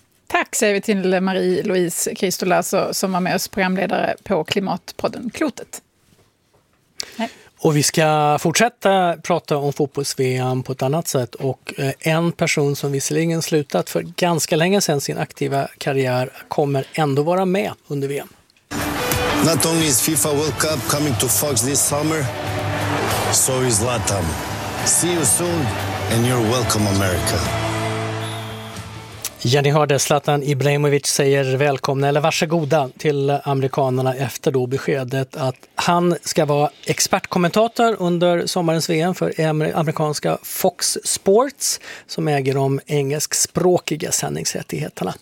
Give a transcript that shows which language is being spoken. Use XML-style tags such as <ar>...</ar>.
<sv>Tack säger vi till Marie-Louise Kristola som var med oss programledare på Klimatpodden Klotet. Nej. Och vi ska fortsätta prata om fotbolls-VM på ett annat sätt. Och en person som visserligen slutat för ganska länge sedan sin aktiva karriär kommer ändå vara med under VM.</sv> <en>Not only is FIFA World Cup coming to Fox this summer, so is Zlatan. See you soon and you're welcome America.</en> <sv>Ja, ni hörde Zlatan Ibrahimovic säger välkomna eller varsågoda till amerikanerna efter då beskedet att han ska vara expertkommentator under sommarens VM för amerikanska Fox Sports som äger de engelskspråkiga sändningsrättigheterna.</sv>